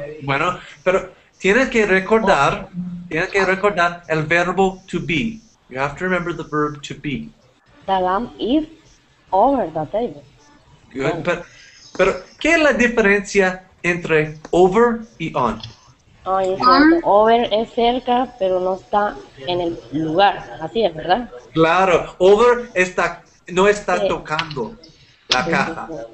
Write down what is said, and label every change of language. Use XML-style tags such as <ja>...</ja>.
<es>Bueno, pero tienes que recordar el verbo to be.</es> <en>You have to remember the verb to be. The lamp is over the table.</en> <es>Good, pero ¿qué es la diferencia entre over y on? Over es cerca, pero no está en el lugar. Así es, ¿verdad? Claro, over está, no está sí. Tocando la caja.</es>